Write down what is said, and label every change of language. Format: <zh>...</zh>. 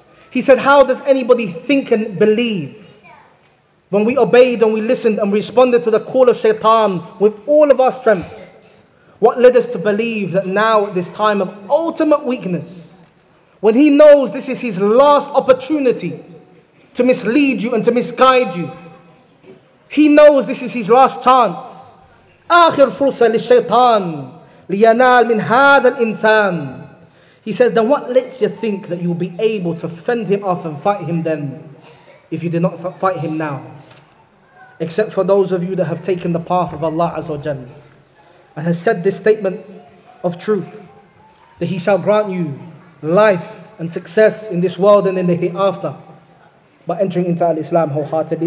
<en>He said, how does anybody think and believe when we obeyed and we listened and responded to the call of Shaytan with all of our strength? What led us to believe that now at this time of ultimate weakness, when he knows this is his last opportunity to mislead you and to misguide you, he knows this is his last chance.</en> <ar>آخر فرصة للشيطان لينال من هذا الإنسان.</ar> <en>He says, then what lets you think that you'll be able to fend him off and fight him then, if you did not fight him now? Except for those of you that have taken the path of Allah Azza wa Jalla and has said this statement of truth, that he shall grant you life and success in this world and in the hereafter by entering into al-Islam wholeheartedly.</en>